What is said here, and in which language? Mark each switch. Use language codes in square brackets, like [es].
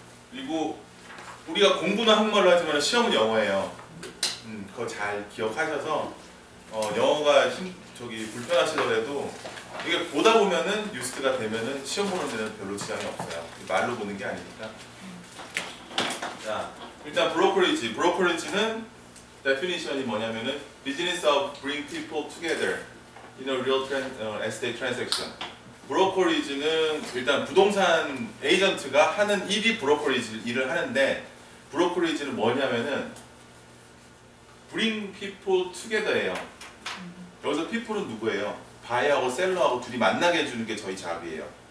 [ko] 그리고 우리가 공부는 한국말로 하지만 시험은 영어예요. 그거 잘 기억하셔서 영어가 저기 불편하시더라도 이게 보다 보면은 유스트가 되면은 시험 보는 데는 별로 지장이 없어요. 말로 보는 게 아니니까. 자, 일단 브로커리지. 브로커리지는 definition이 뭐냐면은 [en] business of bring people together in a real estate transaction. [ko] 브로커리지는 일단 부동산 에이전트가 하는 일이 브로커리지를 일을 하는데 브로커리지는 뭐냐면은 [en] bring people together [ko] 예요. 여기서 people은 누구예요? 바이어하고 셀러하고 둘이 만나게 해주는 게 저희 잡이에요.